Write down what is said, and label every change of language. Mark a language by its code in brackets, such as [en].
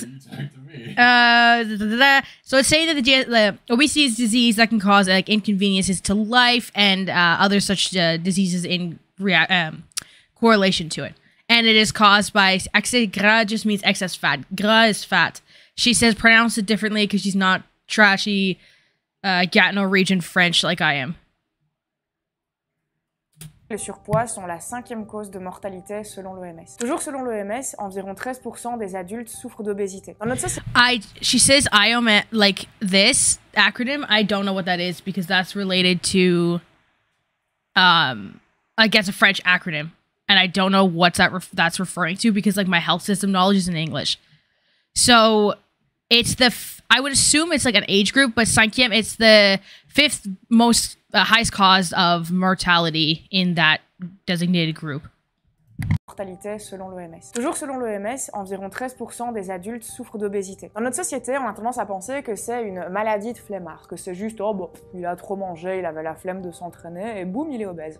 [en] So it's saying that the obesity is a disease that can cause like inconveniences to life and other such diseases in correlation to it. And it is caused by excess. Gras just means excess fat. Gras is fat. She says pronounce it differently because she's not trashy Gatineau region French like I am. [fr] Les surpoids sont la cinquième cause de mortalité selon l'OMS. Toujours selon l'OMS, environ 13% des adultes souffrent d'obésité. Dans notre société, [en] she says IOMS, like this acronym, I don't know what that is because that's related to, I guess a French acronym. And I don't know what that that's referring to because like my health system knowledge is in English. So it's I would assume it's like an age group, but cinquième, it's the fifth most highest cause of mortality in that designated group. [fr] Mortalité selon l'OMS. Toujours selon l'OMS, environ 13% des adultes souffrent d'obésité. Dans notre société, on a tendance à penser que c'est une maladie de flemmard, que c'est juste, oh bon, il a trop mangé, il avait la flemme de s'entraîner, et boum, il est obèse.